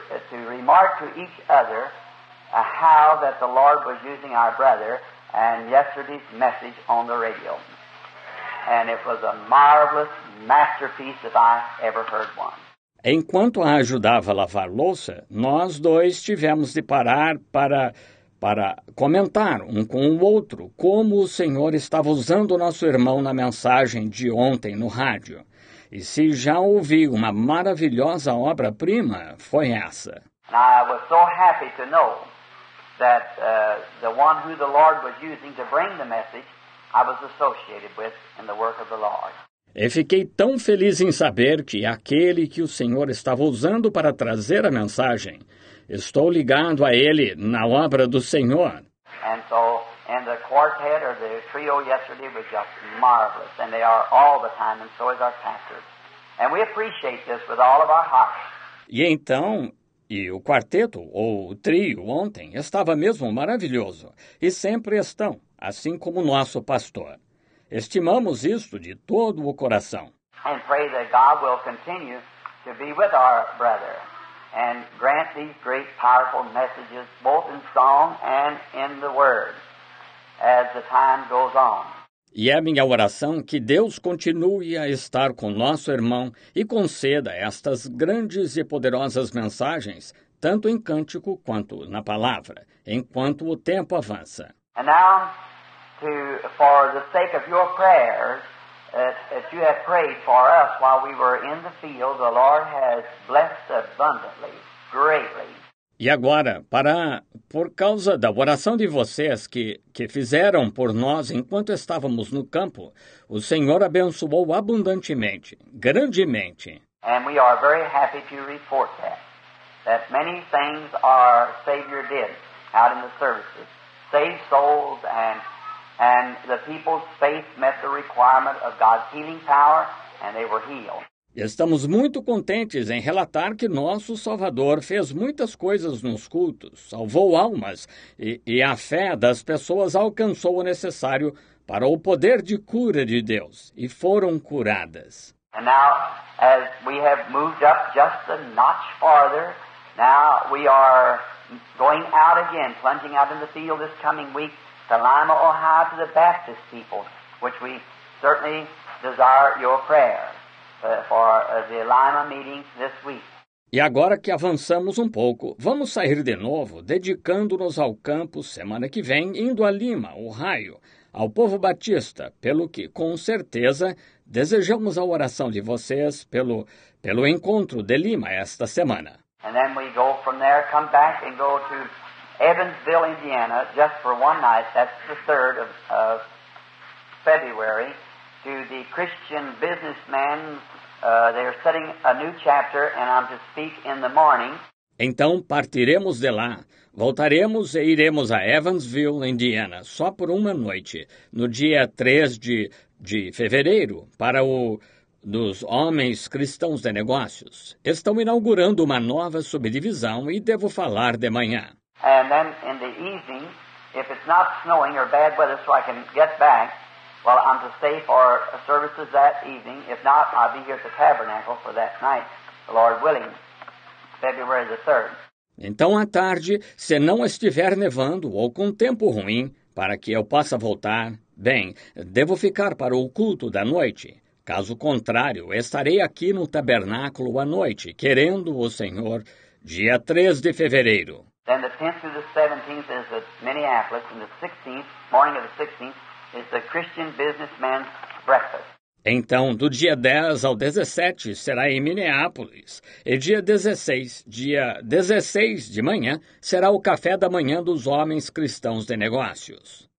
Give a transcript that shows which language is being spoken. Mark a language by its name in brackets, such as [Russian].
[English] To remark to each other how that the Lord was using our brother and yesterday's message on the radio. And it was a marvelous masterpiece if I ever heard one. [Portuguese] Enquanto a ajudava a lavar louça, nós dois tivemos de parar para comentar um com o outro como o Senhor estava usando o nosso irmão na mensagem de ontem no rádio. E se já ouvi uma maravilhosa obra-prima, foi essa. [English] I was so happy to know that the one who the Lord was using to bring the message, I was associated with in the work of the Lord. [Portuguese] E fiquei tão feliz em saber que aquele que o Senhor estava usando para trazer a mensagem, estou ligado a ele na obra do Senhor. [English] And so, and the quartet or the trio yesterday was just marvelous, and they are all the time, and so is our pastor. And we appreciate this with all of our hearts. [Portuguese] E então, e o quarteto, ou o trio, ontem, estava mesmo maravilhoso, e sempre estão, assim como nosso pastor. Estimamos isto de todo o coração. [English] And pray that God will continue to be with our brother and grant these great, powerful messages, both in song and in the word. As the time goes on. [Portuguese] E é minha oração que Deus continue a estar com nosso irmão e conceda estas grandes e poderosas mensagens, tanto em cântico quanto na palavra, enquanto o tempo avança. [English] And now, for the sake of your prayers that you have prayed for us while we were in the field, the Lord has blessed abundantly, greatly. [Portuguese] E agora, por causa da oração de vocês que fizeram por nós enquanto estávamos no campo, o Senhor abençoou abundantemente, grandemente. [English] And we are very happy to report that many things our Savior did out in the services. Saved souls and the people's faith met the requirement of God's healing power and they were healed. [Portuguese] Estamos muito contentes em relatar que nosso Salvador fez muitas coisas nos cultos, salvou almas e a fé das pessoas alcançou o necessário para o poder de cura de Deus e foram curadas. [English] And now, as we have moved up just a notch farther, now we are going out again, plunging out in the field this coming week to Lima, Ohio, to the Baptist people, which we certainly desire your prayer for the Lima meeting this week. [Portuguese] E agora que avançamos um pouco, vamos sair de novo, dedicando-nos ao campo semana que vem, indo a Lima, Ohio, ao povo batista, pelo que, com certeza, desejamos a oração de vocês pelo encontro de Lima esta semana. [English] And then we go from there, come back and go to Evansville, Indiana, just for one night, that's the 3rd of February, to the Christian businessman. They're setting a new chapter, and I'm to speak in the morning. [Portuguese] Então partiremos de lá, voltaremos e iremos a Evansville, Indiana, só por uma noite, no dia 3 de fevereiro, para o dos homens cristãos de negócios. Estão inaugurando uma nova subdivisão e devo falar de manhã. [English] And then in the evening, if it's not snowing or bad weather, so I can get back. Well, I'm to stay for services that evening. If not, I'll be here at the tabernacle for that night, the Lord willing, February the 3rd. [Portuguese] Então, à tarde, se não estiver nevando ou com tempo ruim, para que eu possa voltar, bem, devo ficar para o culto da noite. Caso contrário, estarei aqui no tabernáculo à noite, querendo o Senhor, dia 3 de fevereiro. [English] Then the 10th through the 17th is at Minneapolis, and the 16th, morning of the 16th, is the Christian businessman's breakfast. [Portuguese] Então, do dia 10 ao 17 será em Minneapolis, e dia 16 de manhã será o café da manhã dos homens cristãos de negócios.